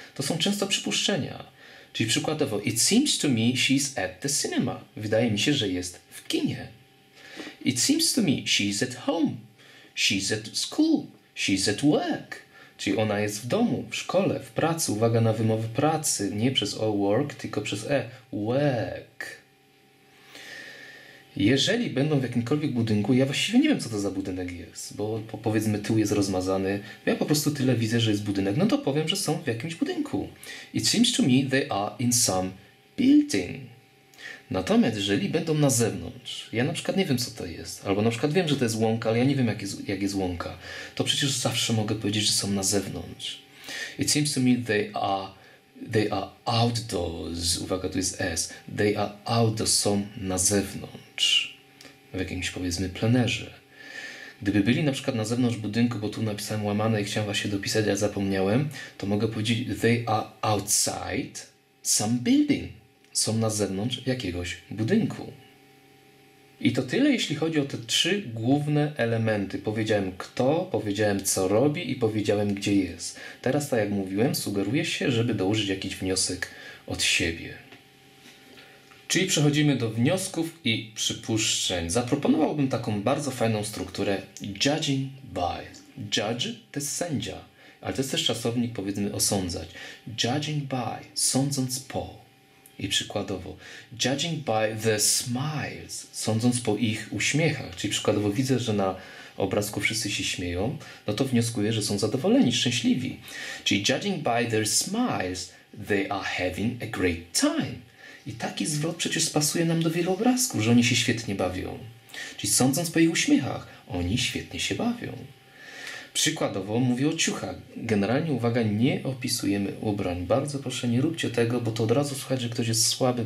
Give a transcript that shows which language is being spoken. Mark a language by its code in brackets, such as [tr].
[pl] To są często przypuszczenia. Czyli przykładowo, [en] it seems to me she's at the cinema. [pl] Wydaje mi się, że jest w kinie. [en] It seems to me she's at home. She's at school. She's at work. [pl] Czyli ona jest w domu, w szkole, w pracy. Uwaga na wymowę pracy. Nie przez o work, tylko przez e. Work. Jeżeli będą w jakimkolwiek budynku, ja właściwie nie wiem, co to za budynek jest, bo powiedzmy tył jest rozmazany, ja po prostu tyle widzę, że jest budynek, no to powiem, że są w jakimś budynku. [en] It seems to me they are in some building. [pl] Natomiast jeżeli będą na zewnątrz, ja na przykład nie wiem, co to jest, albo na przykład wiem, że to jest łąka, ale ja nie wiem, jak jest łąka, to przecież zawsze mogę powiedzieć, że są na zewnątrz. [en] It seems to me they are outdoors. [pl] Uwaga, tu jest S. [en] They are outdoors, [pl] są na zewnątrz. W jakimś, powiedzmy, plenerze. Gdyby byli na przykład na zewnątrz budynku, bo tu napisałem łamane i chciałem właśnie dopisać, a zapomniałem, to mogę powiedzieć [en] they are outside some building. [pl] Są na zewnątrz jakiegoś budynku. I to tyle, jeśli chodzi o te trzy główne elementy. Powiedziałem kto, powiedziałem co robi i powiedziałem gdzie jest. Teraz, tak jak mówiłem, sugeruje się, żeby dołożyć jakiś wniosek od siebie. Czyli przechodzimy do wniosków i przypuszczeń. Zaproponowałbym taką bardzo fajną strukturę judging by. Judge to jest sędzia, ale to jest też czasownik, powiedzmy, osądzać. Judging by, sądząc po. I przykładowo, [en] judging by the smiles, [pl] sądząc po ich uśmiechach. Czyli przykładowo widzę, że na obrazku wszyscy się śmieją, no to wnioskuję, że są zadowoleni, szczęśliwi. [en] Czyli judging by their smiles, they are having a great time. [pl] I taki zwrot przecież pasuje nam do wielu obrazków, że oni się świetnie bawią. Czyli sądząc po ich uśmiechach, oni świetnie się bawią. Przykładowo mówię o ciuchach. Generalnie, uwaga, nie opisujemy ubrań. Bardzo proszę, nie róbcie tego, bo to od razu słychać, że ktoś jest słaby.